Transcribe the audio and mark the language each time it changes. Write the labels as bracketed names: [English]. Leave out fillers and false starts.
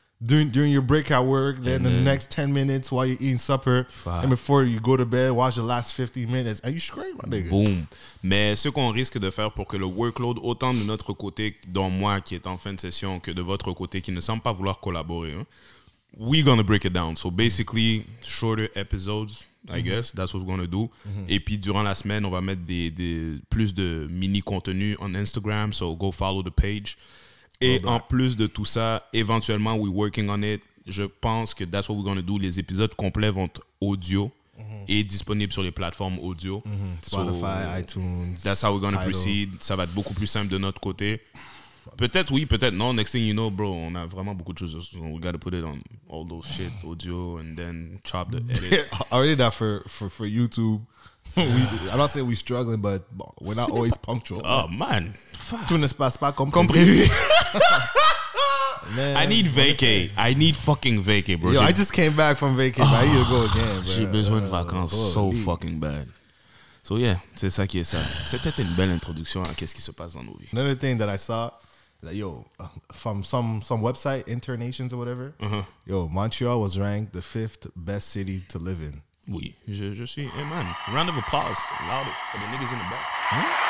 [English] During your break at work, then the next 10 minutes while you're eating supper, and before you go to bed, watch the last 15 minutes. Are you straight, my nigga? Boom. [French] Mais ce qu'on risque de faire pour que le workload, autant de notre côté, dont moi qui est en fin de session, que de votre côté qui ne semble pas vouloir collaborer, hein, [English] we're going to break it down. So basically, shorter episodes, I guess, that's what we're going to do. [French] Mm-hmm. Et puis durant la semaine, on va mettre plus de mini contenu on Instagram, [English] so go follow the page. [French] Et en plus de tout ça, éventuellement, [English] we're working on it. [French] Je pense que [English] that's what we're going to do. [French] Les épisodes complets vont être audio et disponibles sur les plateformes audio. [English] Spotify, so, iTunes, that's how we're going to proceed. [French] Ça va être beaucoup plus simple de notre côté. Peut-être oui, peut-être non. [English] Next thing you know, bro, [French] on a vraiment beaucoup de choses. [English] So we got to put it on all those shit, audio, and then chop the edit. Already that for YouTube. I'm not saying we're struggling, but we're not always punctual. Oh, man. [French] Tout ne se passe pas comme prévu. [English] I need vacay. I need fucking vacay, bro. Yo, I just came back from vacay. I need to go again, bro. [French] J'ai besoin de vacances [English] so fucking bad. So, yeah, [French] c'est ça qui est ça. C'était une belle introduction à qu'est-ce qui se passe dans nos vies. [English] Another thing that I saw, that, yo, from some website, Internations or whatever, yo, Montreal was ranked the fifth best city to live in. [French] Oui, je suis. [English] Hey man, round of applause, loud for the niggas in the back.